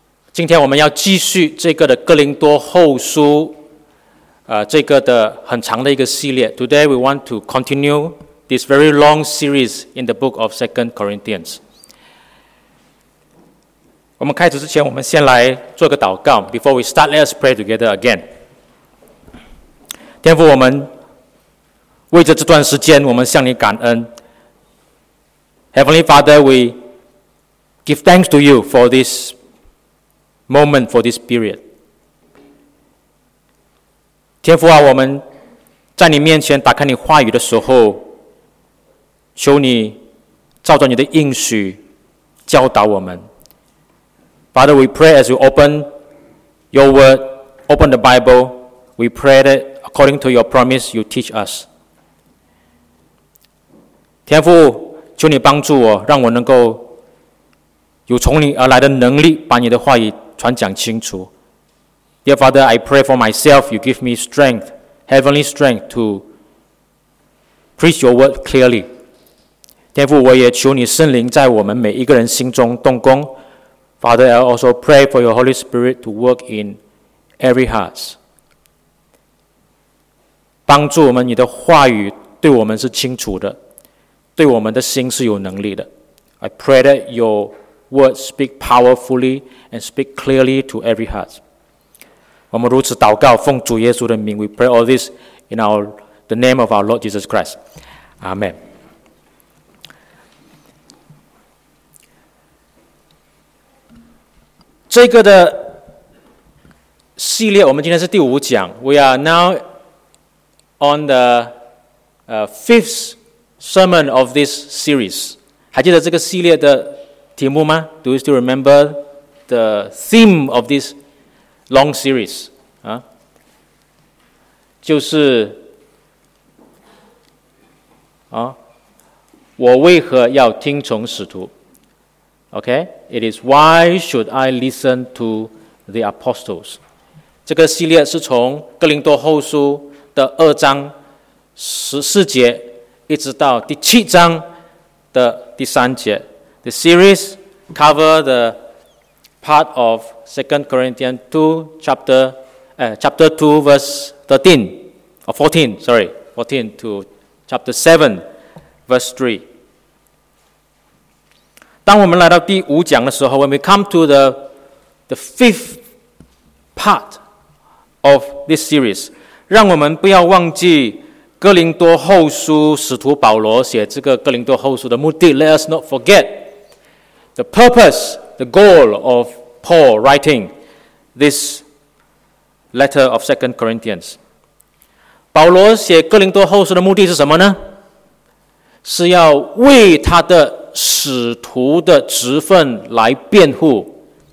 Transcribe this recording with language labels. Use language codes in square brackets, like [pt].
[zh] 今天我们要继续这个的哥林多后书，这个的很长的一个系列。 [en] Today we want to continue this very long series in the book of 2 Corinthians。 [zh] 我们开始之前，我们先来做个祷告。 [en] Before we start, let us pray together again。 [zh] 天父，我们为着这段时间，我们向你感恩。 [en] Heavenly Father, we give thanks to you for this moment, for this period. [zh] 天父啊，我们在你面前打开你话语的时候，求你照着你的应许教导我们。 [en] Father, we pray as you open your word, open the Bible, we pray that according to your promise, you teach us. [zh] 天父，求你帮助我，让我能够有从你而来的能力，把你的话语传讲清楚。 [en] Dear Father, I pray for myself. You give me strength, heavenly strength, to preach your word clearly. [zh] 天父，我也求你圣灵在我们每一个人心中动工。 [en] Father, I also pray for your Holy Spirit to work in every hearts. [zh] 帮助我们，你的话语对我们是清楚的。对我们的心是有能力的。 [en] I pray that your word speak powerfully and speak clearly to every heart. [zh] 我们如此祷告，奉主耶稣的名。 [en] We pray all this in the name of our Lord Jesus Christ. Amen. [zh] 这个的系列，我们今天是第五讲。 [en] We are now on the fifth. Sermon of this series. [zh] 还记得这个系列的题目吗? [en] Do you still remember the theme of this long series? [zh] 就是我为何要听从使徒? [en] Okay? It is why should I listen to the apostles? [zh] 这个系列是从哥林多后书的二章十四节一直到第七章的第三节。 [en] The series cover the part of 2 Corinthians 2 chapter 2 verse 13 or 14 sorry 14 to chapter 7 verse 3。 [zh] 当我们来到第五讲的时候， [en] when we come to the fifth part of this series， [zh] 让我们不要忘记哥林多后书使徒保罗写这个哥林多后书的目的。 [en] Let us not forget the purpose, the goal of Paul writing this letter of 2 Corinthians. [zh] 保罗写哥林多后书的目的是什么呢？是要为他的使徒的职分来辩护。